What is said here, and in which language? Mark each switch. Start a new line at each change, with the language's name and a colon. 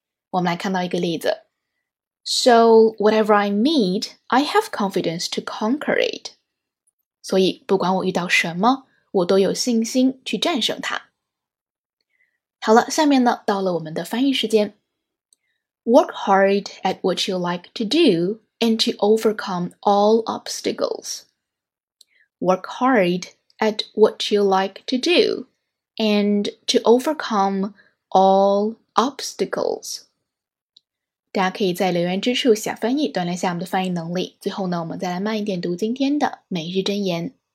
Chinese: 我们来看到一个例子。
English: So whatever I meet, I have confidence to conquer it.
Chinese: 所以不管我遇到什么，我都有信心去战胜它。好了，下面呢，到了我们的翻译时间。
English: Work hard at what you like to do and to overcome all obstacles. Work hard at what you like to do and to overcome all obstacles.
Chinese: 大家可以在留言之处写翻译，锻炼下我们的翻译能力。最后呢，我们再来慢一点读今天的每日箴言。